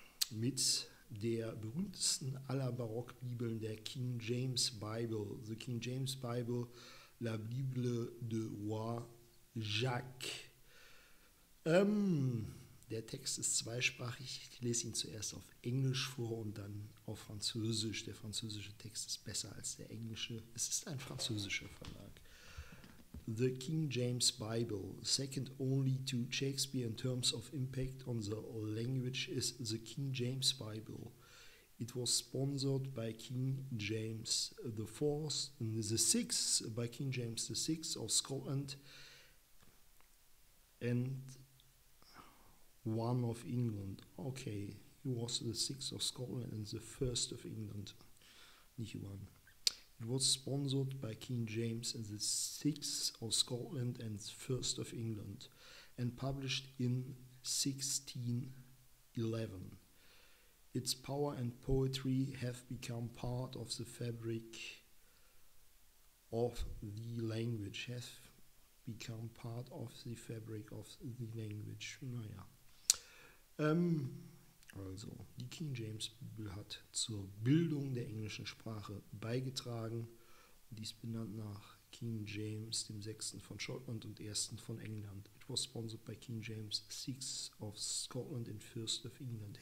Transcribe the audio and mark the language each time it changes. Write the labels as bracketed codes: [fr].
[de] Mit der berühmtesten aller Barockbibeln, der King James Bible, the King James Bible, [fr] la Bible de Roi Jacques. [de] Der Text ist zweisprachig, ich lese ihn zuerst auf Englisch vor und dann auf Französisch. Der französische Text ist besser als der englische, es ist ein französischer Verlag. [en] The King James Bible, second only to Shakespeare in terms of impact on the language, is the King James Bible. It was sponsored by King James VI, by King James VI of Scotland and one of England. Okay, he was the sixth of Scotland and the first of England, [de] nicht [en] one. It was sponsored by King James VI of Scotland and first of England and published in 1611. Its power and poetry have become part of the fabric of the language, have become part of the fabric of the language. [de] Naja. Also, die King James Bibel hat zur Bildung der englischen Sprache beigetragen. Dies benannt nach King James dem VI. Von Schottland und I. von England. [en] It was sponsored by King James VI of Scotland and First of England.